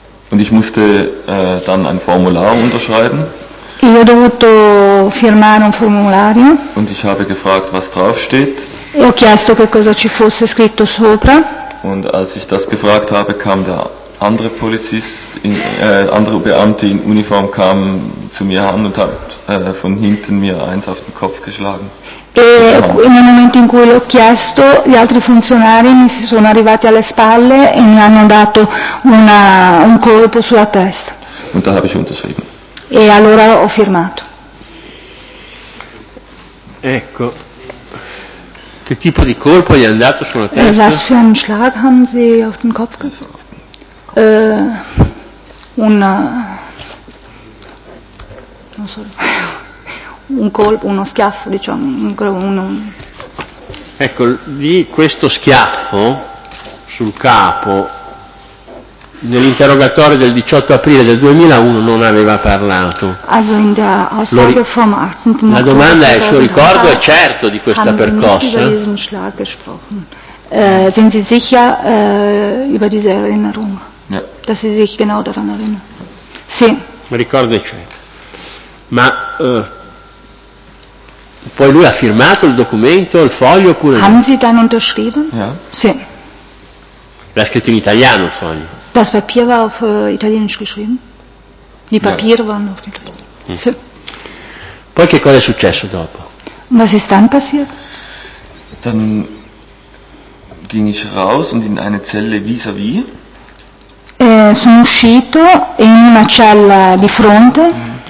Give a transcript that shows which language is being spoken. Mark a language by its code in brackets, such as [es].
[de] Und ich musste dann ein Formular unterschreiben. [it] Io ho dovuto firmare un formulario. [de] Und ich habe gefragt, was draufsteht. [it] E ho chiesto che cosa ci fosse scritto sopra. [de] Und als ich das gefragt habe, kam der andere Polizist, andere Beamte in Uniform kamen zu mir an und hat von hinten mir eins auf den Kopf geschlagen. [it] E nel momento in cui l'ho chiesto, gli altri funzionari mi si sono arrivati alle spalle e mi hanno dato un colpo sulla testa. [de] Und da habe ich unterschrieben. [it] E allora ho firmato. Ecco, che tipo di colpo gli è andato sulla testa? [de] Was für einen Schlag haben Sie auf den Kopf gegeben? [it] Un colpo, uno schiaffo, diciamo, Ecco, di questo schiaffo sul capo, nell'interrogatorio del 18 aprile del 2001 non aveva parlato. [de] Also in der Aussage vom 18. [it] La domanda è, il suo ricordo è certo di questa percossa? [de] Haben Sie nicht über diesen Schlag gesprochen? Sind Sie sicher über diese Erinnerung? Ja. Dass Sie sich genau daran erinnern? [it] Sì. Il ricordo è certo. Ma... Poi lui ha firmato il documento, il foglio oppure no? [de] Haben Sie dann unterschrieben? Ja. [it] Sì. L'ha scritto in italiano il foglio. [de] Das Papier war auf Italienisch geschrieben. Die Papiere waren auf Italienisch. [it] Sì. Poi che cosa è successo dopo? [de] Was ist dann passiert? Dann ging ich raus und in eine Zelle vis-à-vis. [it] Sono uscito in una cella di fronte.